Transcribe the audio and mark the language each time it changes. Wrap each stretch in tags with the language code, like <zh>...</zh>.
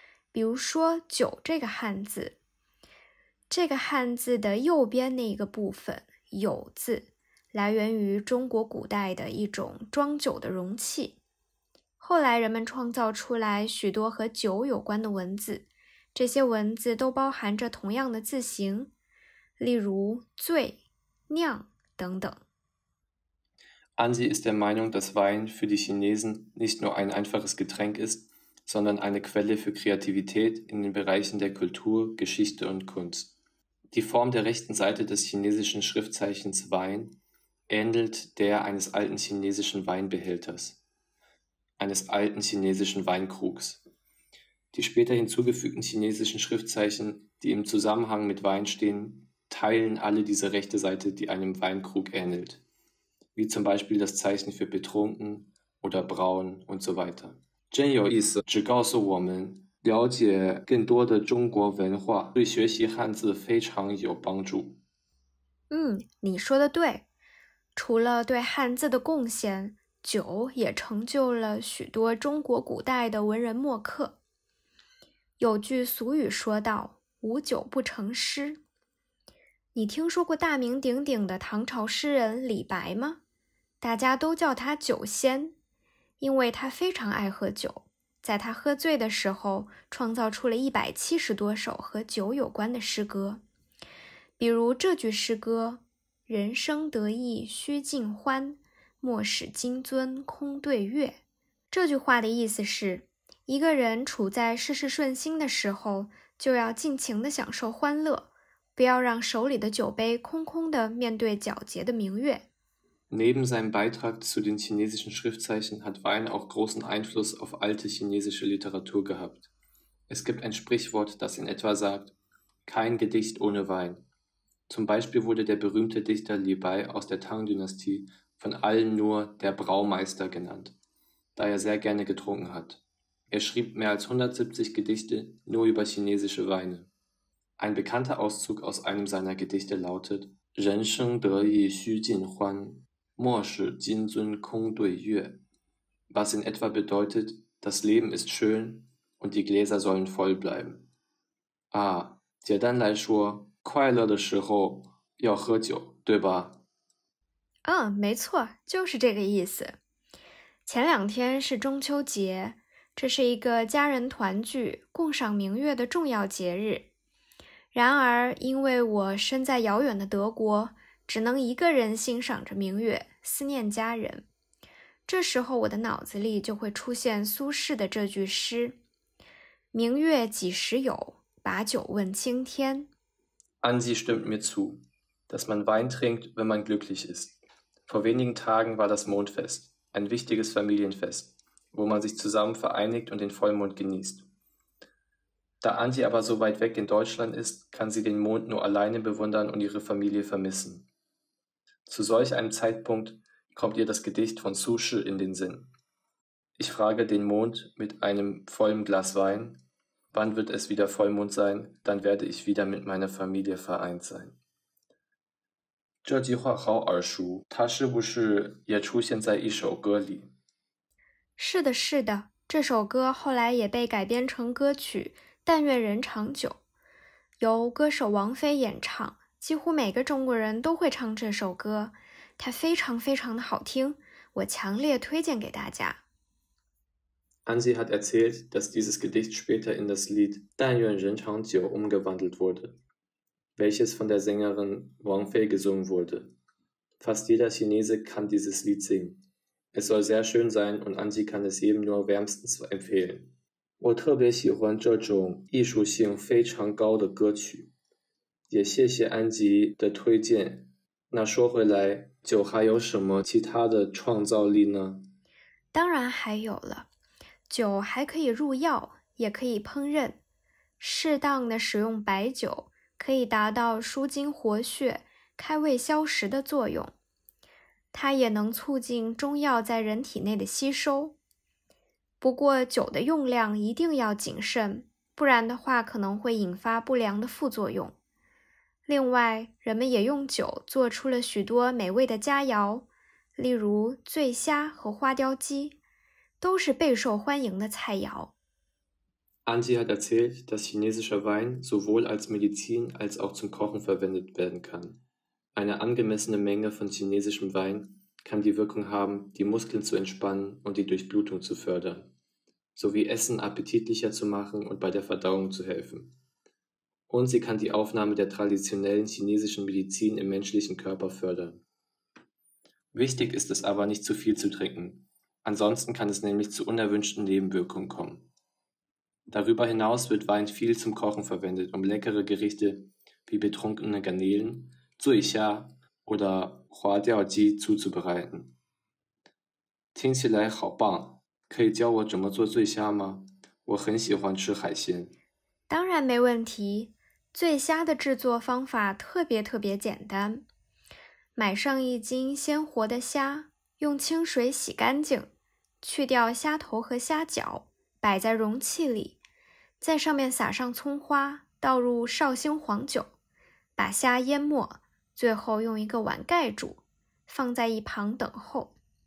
<zh>比如说酒这个汉字，这个汉字的右边那一个部分“酉”字，来源于中国古代的一种装酒的容器。后来人们创造出来许多和酒有关的文字，这些文字都包含着同样的字形，例如醉、酿等等。</zh> <de>Angie ist der Meinung, dass Wein für die Chinesen nicht nur ein einfaches Getränk ist, sondern eine Quelle für Kreativität in den Bereichen der Kultur, Geschichte und Kunst. Die Form der rechten Seite des chinesischen Schriftzeichens Wein ähnelt der eines alten chinesischen Weinbehälters, eines alten chinesischen Weinkrugs. Die später hinzugefügten chinesischen Schriftzeichen, die im Zusammenhang mit Wein stehen, teilen alle diese rechte Seite, die einem Weinkrug ähnelt. Wie zum Beispiel das Zeichen für betrunken oder braun und so weiter.</de> <zh>真有意思，只告诉我们了解更多的中国文化，对学习汉字非常有帮助。你说的对。除了对汉字的贡献，酒也成就了许多中国古代的文人墨客。有句俗语说道：“无酒不成诗。” 你听说过大名鼎鼎的唐朝诗人李白吗？大家都叫他酒仙，因为他非常爱喝酒，在他喝醉的时候创造出了170多首和酒有关的诗歌。比如这句诗歌，人生得意须尽欢，莫使金樽空对月。这句话的意思是，一个人处在事事顺心的时候，就要尽情地享受欢乐，不要让手里的酒杯空空地面对皎洁的明月。</zh> <de>Neben seinem Beitrag zu den chinesischen Schriftzeichen hat Wein auch großen Einfluss auf alte chinesische Literatur gehabt. Es gibt ein Sprichwort, das in etwa sagt, kein Gedicht ohne Wein. Zum Beispiel wurde der berühmte Dichter Li Bai aus der Tang-Dynastie von allen nur der Braumeister genannt, da er sehr gerne getrunken hat. Er schrieb mehr als 170 Gedichte nur über chinesische Weine. Ein bekannter Auszug aus einem seiner Gedichte lautet,</de> <zh>人生得意须尽欢莫使金樽空对月,</zh> <de>was in etwa bedeutet, das Leben ist schön und die Gläser sollen voll bleiben.</de> <zh>啊,简单来说,快乐的时候要喝酒,对吧? 嗯,没错,就是这个意思。前两天是中秋节,这是一个家人团聚,共赏明月的重要节日。然而,因为我身在遥远的德国,只能一个人欣赏着明月,思念家人。这时候我的脑子里就会出现苏轼的这句诗。明月几时有?把酒问青天。</zh> <de>Ansi stimmt mir zu, dass man Wein trinkt, wenn man glücklich ist. Vor wenigen Tagen war das Mondfest, ein wichtiges Familienfest, wo man sich zusammen vereinigt und den Vollmond genießt. Da Ansi aber so weit weg in Deutschland ist, kann sie den Mond nur alleine bewundern und ihre Familie vermissen. Zu solch einem Zeitpunkt kommt ihr das Gedicht von Su Shi in den Sinn. Ich frage den Mond mit einem vollen Glas Wein, wann wird es wieder Vollmond sein, dann werde ich wieder mit meiner Familie vereint sein.</de> <zh>这句话好耳熟，它是不是也出现在一首歌里？是的，是的，这首歌后来也被改编成歌曲《但愿人长久》，由歌手王菲演唱，几乎每个中国人都会唱这首歌，它非常非常的好听，我强烈推荐给大家。</zh> <de>Ansi hat erzählt, dass dieses Gedicht später in das Lied Dan Yuan Ren Chang Jiu umgewandelt wurde, welches von der Sängerin Wang Fei gesungen wurde. Fast jeder Chinese kann dieses Lied singen. Es soll sehr schön sein und Ansi kann es jedem nur wärmstens empfehlen.</de> <zh>我特别喜欢这种艺术性非常高的歌曲，也谢谢安吉的推荐。那说回来，酒还有什么其他的创造力呢？当然还有了。酒还可以入药，也可以烹饪。适当的使用白酒，可以达到舒筋活血、开胃消食的作用。它也能促进中药在人体内的吸收。不过，酒的用量一定要谨慎，不然的话可能会引发不良的副作用。另外，人们也用酒做出了许多美味的佳肴，例如醉虾和花雕鸡。都是备受欢迎的菜肴。</zh> <de>Ansi hat erzählt, dass chinesischer Wein sowohl als Medizin als auch zum Kochen verwendet werden kann. Eine angemessene Menge von chinesischem Wein kann die Wirkung haben, die Muskeln zu entspannen und die Durchblutung zu fördern, sowie Essen appetitlicher zu machen und bei der Verdauung zu helfen. Und sie kann die Aufnahme der traditionellen chinesischen Medizin im menschlichen Körper fördern. Wichtig ist es aber, nicht zu viel zu trinken. Ansonsten kann es nämlich zu unerwünschten Nebenwirkungen kommen. Darüber hinaus wird Wein viel zum Kochen verwendet, um leckere Gerichte wie betrunkene Garnelen, Zuixia oder Huadiaoji zuzubereiten.</de> <zh>听起来好棒，可以教我怎么做醉虾吗？我很喜欢吃海鲜。当然没问题，醉虾的制作方法特别特别简单。买上一斤鲜活的虾，用清水洗干净，去掉虾头和虾脚，摆在容器里，在上面撒上葱花，倒入绍兴黄酒，把虾淹没，最后用一个碗盖住，放在一旁等候。</zh>